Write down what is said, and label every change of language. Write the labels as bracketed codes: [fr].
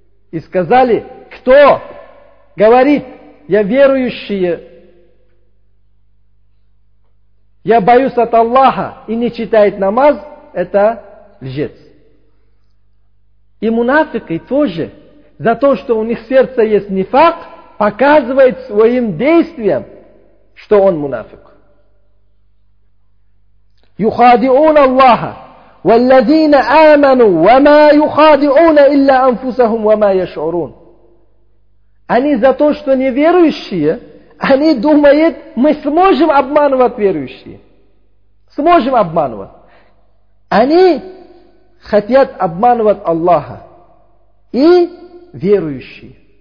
[ru] И сказали, кто говорит: я верующий, я боюсь от Аллаха и не читает намаз, это лжец. И мунафики тоже, за то, что у них сердце есть нифак, показывает своим действием, что он мунафик. [ar] يخادعون الله والذين آمنوا وما يخادعون إلا أنفسهم وما يشعرون. [ru] Они за то, что неверующие, они думают, мы сможем обманывать верующие. Сможем обманывать. Они хотят обманывать Аллаха и верующие.